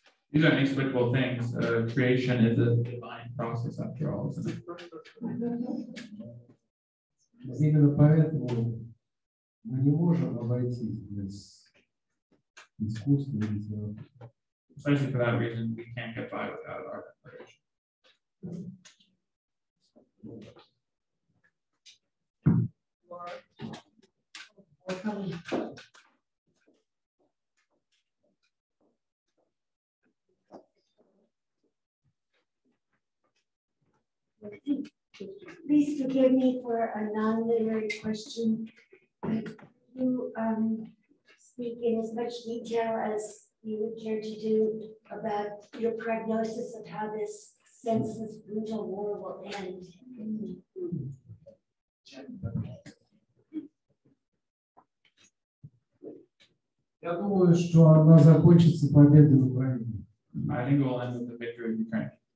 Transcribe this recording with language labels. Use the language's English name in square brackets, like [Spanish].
[English] These are inexplicable things. Creation is a divine process after all. [Russian] Именно поэтому мы не можем обойтись без искусства и литературы. [English] Precisely for that reason, we can't get by without art and creation. Please forgive me for a non-literary question. You speak in as much detail as you would care to do about your prognosis of how this senseless, brutal war will end. [Russian] Я думаю, что она закончится победой в Украине. [English] I think we'll end with the victory in Ukraine.